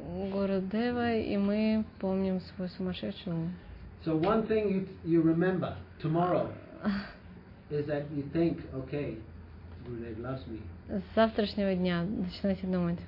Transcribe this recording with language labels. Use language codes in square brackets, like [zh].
[ru] Гурудева, и мы помним свой сумасшедший. [en] So one thing you remember tomorrow is that you think, okay, Gurudev loves me. [ru] С завтрашнего дня начинайте думать.